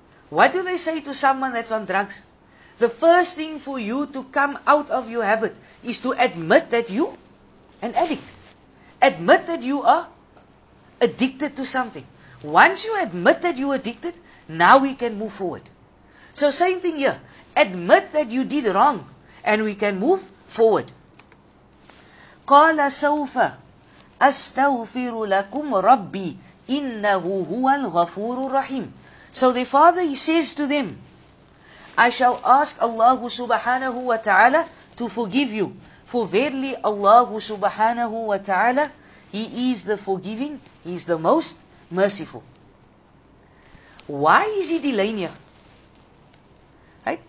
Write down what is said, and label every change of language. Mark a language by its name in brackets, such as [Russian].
[English] What do they say to someone that's on drugs? The first thing for you to come out of your habit is to admit that you an addict. Admit that you are addicted to something. Once you admit that you are addicted, now we can move forward. So same thing here. Admit that you did wrong and we can move forward. [Arabic] قال سوف أستغفر لكم ربي إنه هو الغفور الرحيم. [English] So the father, he says to them, I shall ask Allah subhanahu wa ta'ala to forgive you. For verily Allah subhanahu wa ta'ala, He is the forgiving, He is the most merciful. Why is He delaying here? Right?